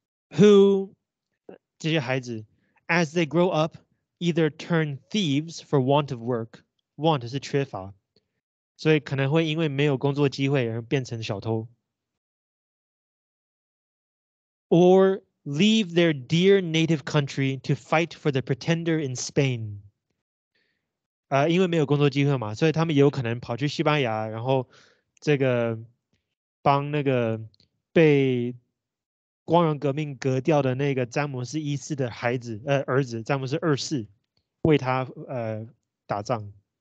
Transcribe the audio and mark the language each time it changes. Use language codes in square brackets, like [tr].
[en] Who [zh] 这些孩子 [en] ，as they grow up, either turn thieves for want of work. Want [zh] 是缺乏。所以可能会因为没有工作机会而变成小偷。 [en] Or leave their dear native country to fight for the pretender in Spain. [zh] 因为没有工作机会嘛，所以他们有可能跑去西班牙，然后这个帮那个被光荣革命革掉的那个詹姆斯一世的孩子，儿子詹姆斯二世，为他打仗。